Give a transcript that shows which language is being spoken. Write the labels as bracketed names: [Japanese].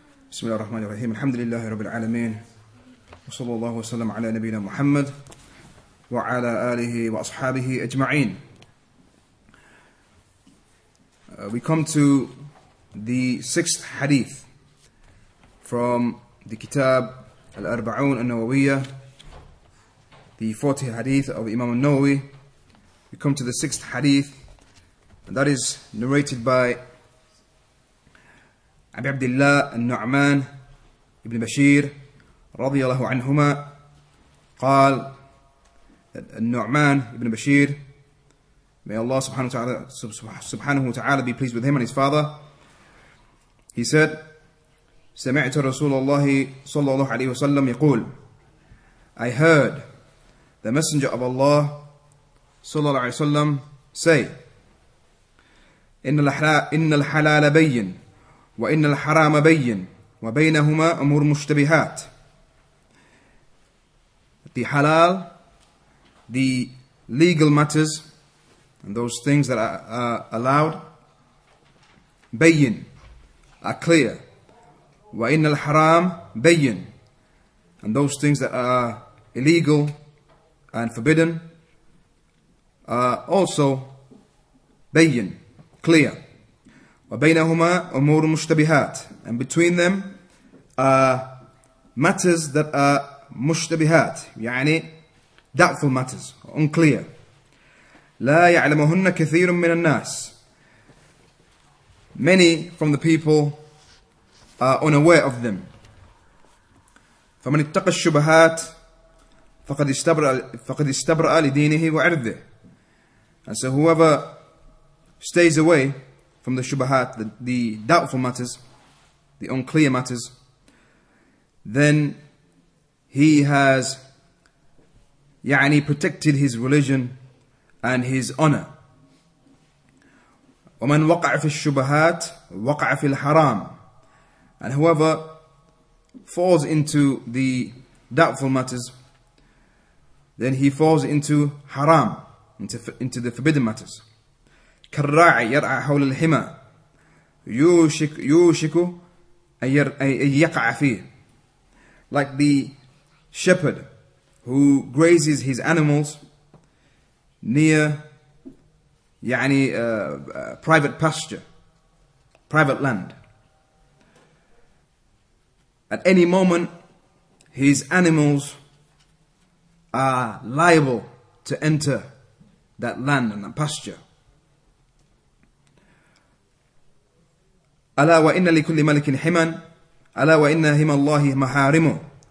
[Arabic] بسم الله الرحمن الرحيم الحمد لله رب العالمين وصلى الله وسلم على نبينا محمد وعلى آله وأصحابه أجمعين. [English] We come to the sixth hadith from the Kitab Al-Arba'un Al-Nawawiyyah, the 40th hadith of Imam Al-Nawawi. We come to the sixth hadith, and that is narrated by أبي عبد الله النعمان ابن بشير [Arabic] رضي الله عنهما قال [English] النعمان ابن بشير may Allah subhanahu wa ta'ala be pleased with him and his father. He said [Arabic] سمعت رسول الله صلى الله عليه وسلم يقول [English] I heard the messenger of Allah [Arabic] صلى الله عليه وسلم [English] say [Arabic] إن الحلال بين وإن الحرام بين وبينهما أمور مشتبهات. [English] The halal, the legal matters, and those things that are allowed, بين, are clear. [Arabic] وإن الحرام بين, [English] and those things that are illegal and forbidden, are also بين, clear. [Arabic] وبينهما أمور مشتبهات, [English] and between them are matters that are مشتبهات, يعني doubtful matters, unclear. [Arabic] لا يعلمهن كثير من الناس. [English] Many from the people are unaware of them. [Arabic] فمن اتقى الشبهات فقد استبرأ لدينه وعرضه. [English] And so whoever stays away from the shubahat, the doubtful matters, the unclear matters, then he has يعني protected his religion and his honor. [Arabic] ومن وقع في الشبهات وقع في الحرام. [English] And whoever falls into the doubtful matters, then he falls into haram, into the forbidden matters. [Arabic] كالراعي يرعى حول الحمى يوشك أن يقع فيه. [English] Like the shepherd who grazes his animals near يعني private pasture, private land. At any moment, his animals are liable to enter that land and that pasture. [Arabic] ألا وإن لكل ملك حما ألا وإن حما الله محارمه.